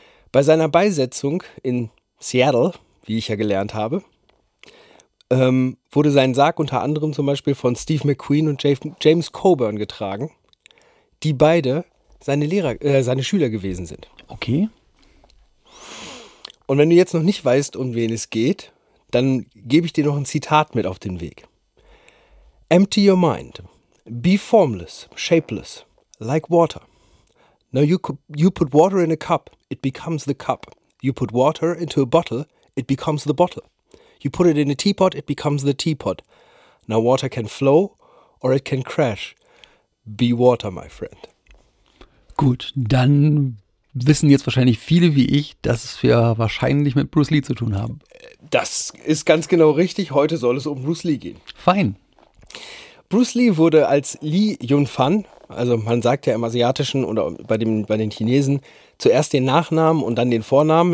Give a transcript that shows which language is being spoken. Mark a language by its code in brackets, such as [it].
[de] Bei seiner Beisetzung in Seattle, wie ich ja gelernt habe, wurde sein Sarg unter anderem zum Beispiel von Steve McQueen und James Coburn getragen, die beide seine Schüler gewesen sind. Okay. Und wenn du jetzt noch nicht weißt, um wen es geht, dann gebe ich dir noch ein Zitat mit auf den Weg. [en] Empty your mind. Be formless, shapeless, like water. Now you put water in a cup, it becomes the cup. You put water into a bottle, it becomes the bottle. You put it in a teapot, it becomes the teapot. Now water can flow or it can crash. Be water, my friend. [de] Gut, dann wissen jetzt wahrscheinlich viele wie ich, dass wir wahrscheinlich mit Bruce Lee zu tun haben. Das ist ganz genau richtig. Heute soll es um Bruce Lee gehen. Fein. Bruce Lee wurde als Lee Yunfan, also man sagt ja im Asiatischen oder bei den Chinesen, zuerst den Nachnamen und dann den Vornamen.